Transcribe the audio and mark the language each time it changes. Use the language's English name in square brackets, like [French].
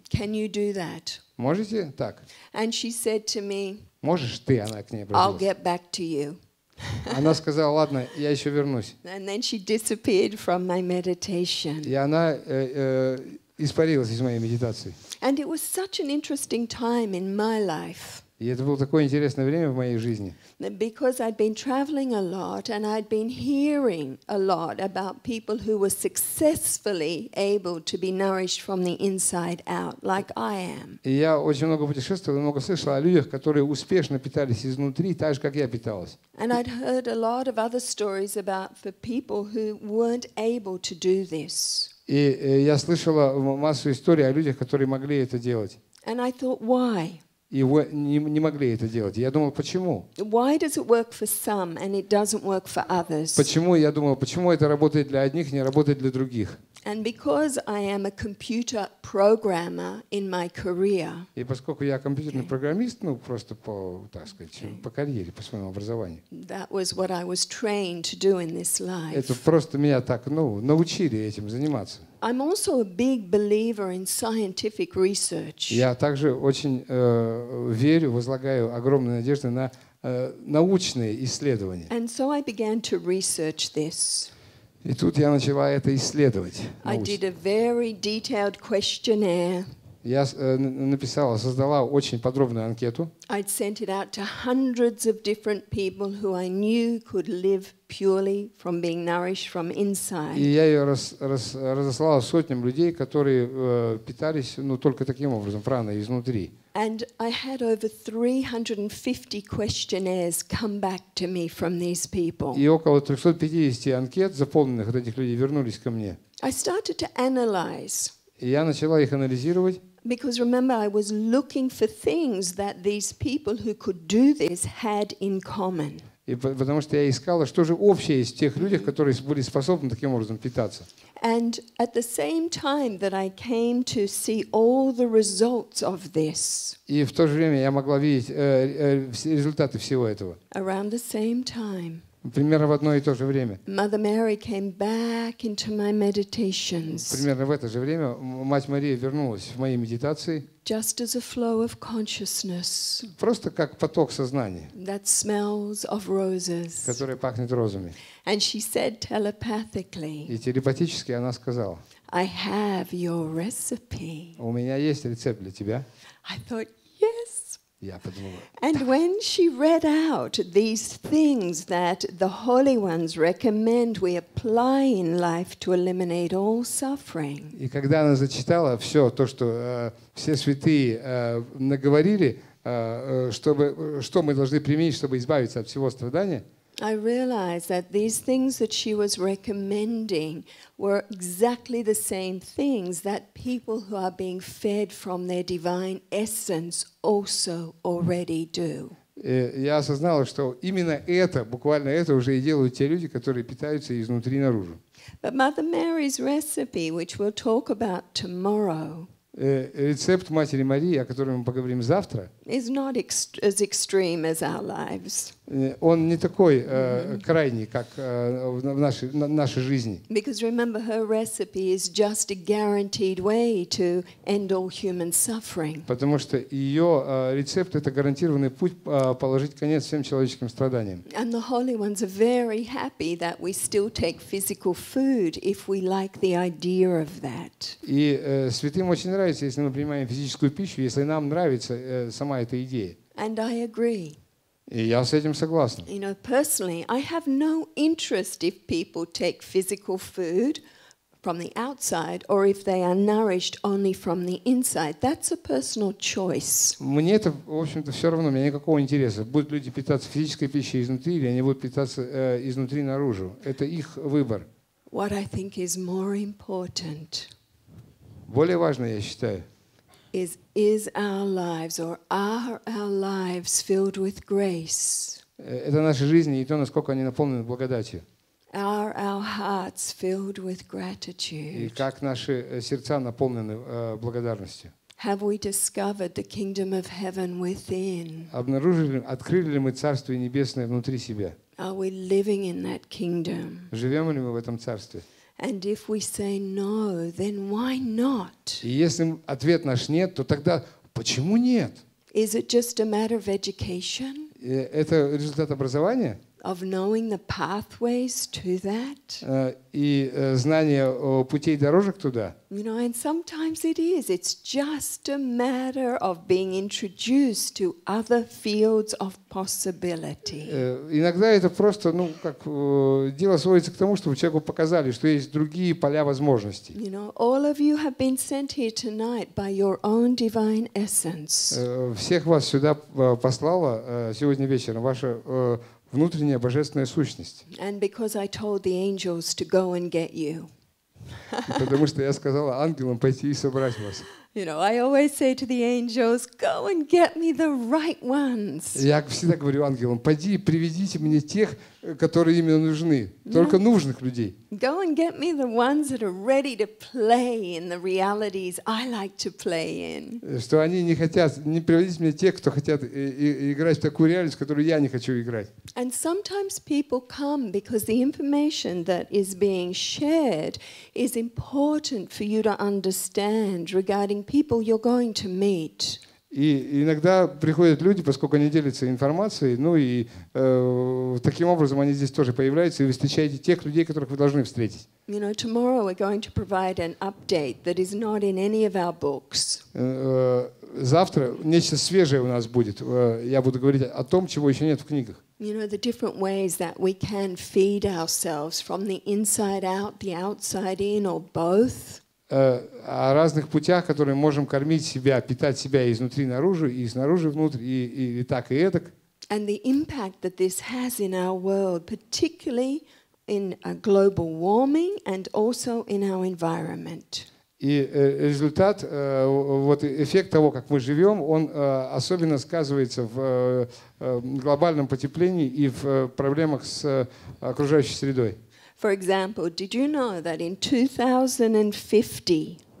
[English] Can you do that? [Russian] Можете так? [English] And she said to me, [Russian] можешь ты, она к ней обратилась. [English] I'll get back to you. [Russian] Она сказала, ладно, я еще вернусь. [English] And then she disappeared from my meditation. [Russian] И она испарилась из моей медитации. [English] And it was such an interesting time in my life. [Russian] И это было такое интересное время в моей жизни. [English] Because I'd been traveling a lot and I'd been hearing a lot about people who were successfully able to be nourished from the inside out, like I am. [Russian] И я очень много путешествовал, много слышал о людях, которые успешно питались изнутри, так же, как я питалась. [English] And I'd heard a lot of other stories about the people who weren't able to do this. [Russian] И я слышала массу историй о людях, которые могли это делать. [English] And I thought, why? [Russian] И вы не могли это делать. Я думал, почему? [English] Why does it work for some and it doesn't work for others? [Russian] Почему, я думал, почему это работает для одних, не работает для других? [English] And because I am a computer programmer in my career. [Russian] И поскольку я компьютерный программист, ну просто по, так сказать, по карьере, по своему образованию. [English] That was what I was trained to do in this life. [Russian] Это просто меня так, ну, научили этим заниматься. [English] I'm also a big believer in scientific research. [Russian] Я также очень верю, возлагаю огромные надежды на научные исследования. [English] And so I began to research this. [Russian] И тут я начала это исследовать. [English] I did a very detailed questionnaire. [Russian] Я написала, создала очень подробную анкету. [English] I'd sent it out to hundreds of different people who I knew could live purely from being nourished from inside. [Russian] И я ее разослала сотням людей, которые питались, ну, только таким образом, праной изнутри. [English] And I had over 350 questionnaires come back to me from these people. [Russian] И около 350 анкет, заполненных от этих людей, вернулись ко мне. [English] I started to analyze. [Russian] И я начала их анализировать. [English] Because remember, I was looking for things that these people who could do this had in common. [Russian] И потому что я искала, что же общее есть в тех людях, которые были способны таким образом питаться. [English] And at the same time that I came to see all the results of this. [Russian] И в то же время я могла видеть результаты всего этого. [English] Around the same time. [Russian] Примерно в одно и то же время. [English] Mother Mary came back into my meditations. [Russian] Примерно в это же время Мать Мария вернулась в мои медитации. [English] Just as a flow of consciousness. [Russian] Просто как поток сознания. [English] That smells of roses. [Russian] Которая пахнет розами. [English] And she said telepathically. [Russian] И телепатически она сказала. [English] I have your recipe. [Russian] У меня есть рецепт для тебя. [English] I thought, yes. [Russian] Я подумала, [English] and [Russian] так. [English] When she read out these things that the holy ones recommend we apply in life to eliminate all suffering. [Russian] И когда она зачитала все то, что все святые наговорили, чтобы что мы должны применить, чтобы избавиться от всего страдания. [English] I realized that these things that she was recommending were exactly the same things that people who are being fed from their divine essence also already do. [Russian] Я осознала, что именно это, буквально это уже и делают те люди, которые питаются изнутри наружу. [English] But Mother Mary's recipe, which we'll talk about tomorrow, [Russian] рецепт Матери Марии, о котором мы поговорим завтра, [English] is not as extreme as our lives. [Russian] Он не такой крайний, как в нашей жизни. [English] Because remember, her recipe is just a guaranteed way to end all human suffering. [Russian] Потому что ее рецепт — это гарантированный путь положить конец всем человеческим страданиям. [English] And the holy ones are very happy that we still take physical food if we like the idea of that. [Russian] И святым очень нравится, если мы принимаем физическую пищу, если нам нравится сама эта идея. [English] And I agree. [Russian] И я с этим согласен. [English] You know, personally, I have no interest if people take physical food from the outside or if they are nourished only from the inside. That's a personal choice. [Russian] Мне это, в общем-то, все равно. Мне никакого интереса. Будут люди питаться физической пищей изнутри или они будут питаться изнутри наружу. Это их выбор. [English] What I think is more important. [Russian] Более важно, я считаю. [English] is our lives or are our lives filled with grace? [Russian] Это наши жизни и то, насколько они наполнены благодатью. [English] Are our hearts filled with gratitude? [Russian] И как наши сердца наполнены благодарностью? [English] Have we discovered the kingdom of heaven within? [Russian] Обнаружили, открыли ли мы царствие небесное внутри себя? [English] Are we living in that kingdom? [Russian] Живем ли мы в этом царстве? [English] And if we say no, then why not? [Russian] И если ответ наш нет, то тогда почему нет? [English] Is it just a matter of education? [Russian] Это результат образования? [English] Of knowing the pathways to that. [Russian] И знание о путей дорожек туда. [English] You know, and sometimes it is. It's just a matter of being introduced to other fields of possibility. [Russian] Иногда это просто, ну, как дело сводится к тому, чтобы человеку показали, что есть другие поля возможностей. [English] You know, all of you have been sent here tonight by your own divine essence. [Russian] Всех вас сюда послала сегодня вечером ваша внутренняя божественная сущность. [English] And because I told the angels to go and get you. [Russian] Потому что я сказала ангелам пойти и собрать вас. [English] You know, I always say to the angels, go and get me the right ones. [Russian] Я всегда говорю ангелам, пойди и приведите мне тех, которые именно нужны, только нужных людей. [English] Go and get me the ones that are ready to play in the realities I like to play in. [Russian] Что они не хотят, не приводите мне тех, кто хотят играть в такую реальность, которую я не хочу играть. [English] And sometimes people come because the information that is being shared is important for you to understand regarding people you're going to meet. [Russian] И иногда приходят люди, поскольку они делятся информацией, ну и таким образом они здесь тоже появляются, и вы встречаете тех людей, которых вы должны встретить. [English] You know, tomorrow we're going to provide an update that is not in any of our books. [Russian] Завтра нечто свежее у нас будет. Я буду говорить о том, чего еще нет в книгах. [English] You know, the different ways that we can feed ourselves from the inside out, the outside in, or both. [Russian] О разных путях, которые можем кормить себя, питать себя изнутри наружу, и снаружи внутрь, и так, и эдак. [English] And the impact that this has in our world, particularly in a global warming and also in our environment. [Russian] И результат, вот эффект того, как мы живем, он особенно сказывается в глобальном потеплении и в проблемах с окружающей средой. [English] For example, did you know that in 2050?